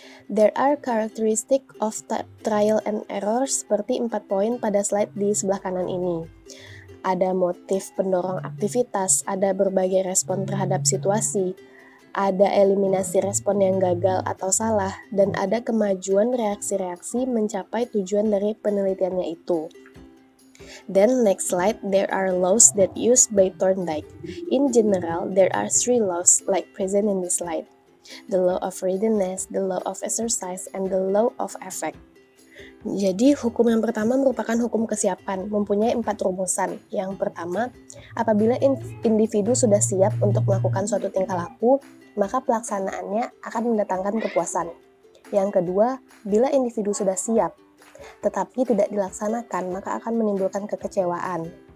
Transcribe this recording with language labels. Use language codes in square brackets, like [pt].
[en] There are characteristic of trial and error [id] seperti 4 poin pada slide di sebelah kanan ini. Ada motif pendorong aktivitas, ada berbagai respon terhadap situasi, ada eliminasi respon yang gagal atau salah, dan ada kemajuan reaksi-reaksi mencapai tujuan dari penelitiannya itu. [en] Then next slide, there are laws that used by Thorndike. In general, there are 3 laws like present in this slide. The law of readiness, the law of exercise, and the law of effect. [id] Jadi, hukum yang pertama merupakan hukum kesiapan, mempunyai 4 rumusan. Yang pertama, apabila individu sudah siap untuk melakukan suatu tingkah laku, maka pelaksanaannya akan mendatangkan kepuasan. Yang kedua, bila individu sudah siap, tetapi tidak dilaksanakan, maka akan menimbulkan kekecewaan.